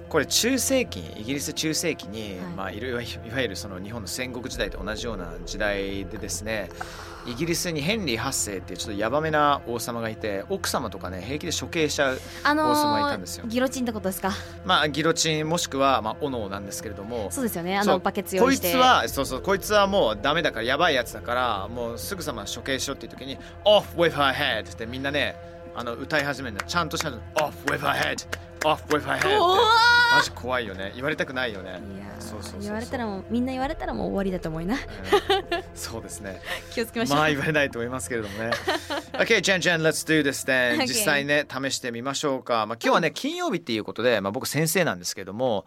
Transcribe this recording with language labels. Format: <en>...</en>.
<ja>これ中世紀、イギリス中世紀に、はい、まあ、いわゆるその日本の戦国時代と同じような時代でですね、イギリスにヘンリー8世っていうちょっとヤバめな王様がいて、奥様とかね平気で処刑しちゃう王様がいたんですよ。ギロチンってことですか？まあギロチン、もしくは、まあ、斧なんですけれども。そうですよね、あのバケツ用意して、こいつはそうそう、こいつはもうダメだから、ヤバいやつだから、もうすぐさま処刑しろっていう時に</ja> <en>Off with her head</en> <ja>ってみんなね、あの歌い始めるんだ、ちゃんとしたの。</ja> <en>Off with her head, Off with her head。</en> <ja>マジ怖いよね、言われたくないよね。いや、そうそうそう、言われたらもう、みんな言われたらもう終わりだと思いな、そうですね、気をつけましょう。まあ言われないと思いますけれどもね。</ja> <en>OK, Jen, Jen, let's do this then、 okay.</en> <ja>実際ね試してみましょうか。まあ今日はね、うん、金曜日っていうことで、まあ、僕先生なんですけれども、</ja>